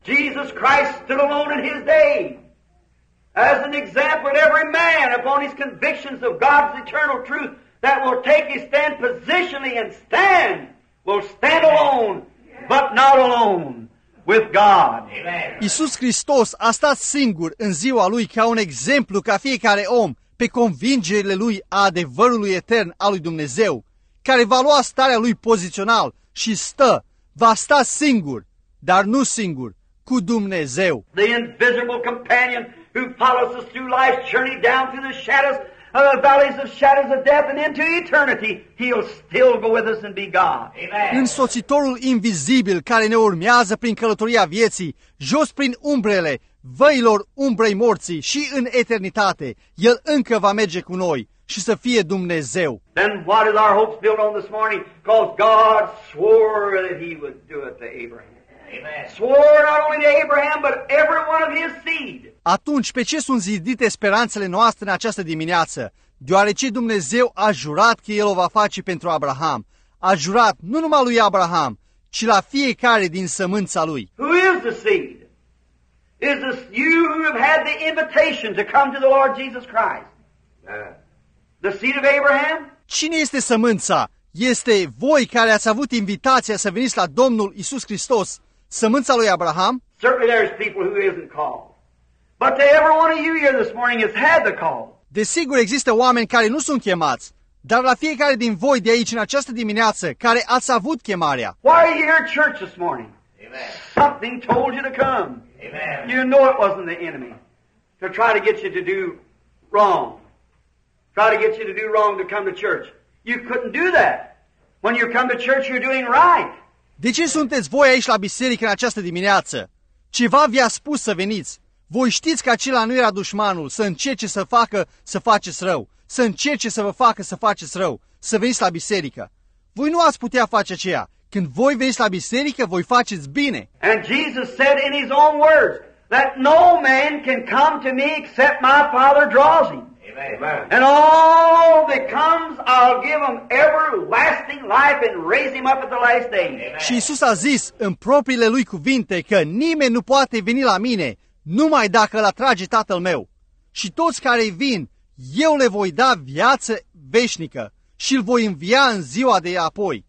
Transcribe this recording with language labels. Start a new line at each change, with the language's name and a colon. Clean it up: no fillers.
English: Jesus Christ stood alone in His day as an example to every man upon his convictions of God's eternal truth that will take his stand positionally and stand, will stand alone, but not alone. With God. Amen.
Romanian: Iisus Hristos a stat singur în ziua Lui ca un exemplu ca fiecare om pe convingerile Lui a adevărului etern al Lui Dumnezeu, care va lua starea Lui pozițional și stă, va sta singur, dar nu singur, cu Dumnezeu.
English: The invisible companion who follows us through life's journey down through the shadows of the valleys of shadows of death and into eternity, He'll still go with us and be God. Amen.
Romanian: Însoțitorul invizibil care ne urmează prin călătoria vieții, jos prin umbrele, văilor umbrei morții și în eternitate, El încă va merge cu noi și să fie Dumnezeu.
English: Then what is our hopes built on this morning? Because God swore that He would do it to Abraham. Amen. Swore not only to Abraham, but every one of his seed.
Romanian: Atunci, pe ce sunt zidite speranțele noastre în această dimineață? Deoarece Dumnezeu a jurat că El o va face pentru Abraham. A jurat nu numai lui Abraham, ci la fiecare din sămânța lui.
English: Who is the seed? Is this you who have had the invitation to come to the Lord Jesus Christ? The seed of Abraham?
Romanian: Cine este sămânța? Este voi care ați avut invitația să veniți la Domnul Iisus Hristos, sămânța lui Abraham?
English: Certainly there's people who isn't called. But to every one of you here this morning has had the call.
Romanian: Desigur există oameni care nu sunt chemați, dar la fiecare din voi de aici în această dimineață care ați avut chemarea.
English: Why are you here at church this morning? Amen. Something told you to come. Amen. You know it wasn't the enemy to try to get you to do wrong. Try to get you to do wrong to come to church. You couldn't do that. When you come to church, you're doing right.
Romanian: De ce sunteți voi aici la biserică în această dimineață? Ceva vi-a spus să veniți. Voi știți că acela nu era dușmanul, să încerce să facă să faceți rău. Să încerce să vă facă să faceți rău, să veniți la biserică. Voi nu ați putea face aceea. Când voi veniți la biserică, voi faceți bine.
English: And Jesus said in his own words that no man can come to me except my Father draws him. Amen. And all that comes, I'll give him everlasting life and raise him up at the last day. Amen.
Romanian: Și Iisus a zis în propriile lui cuvinte că nimeni nu poate veni la mine numai dacă îl atrage Tatăl meu. Și toți care vin, eu le voi da viață veșnică și îl voi învia în ziua de apoi.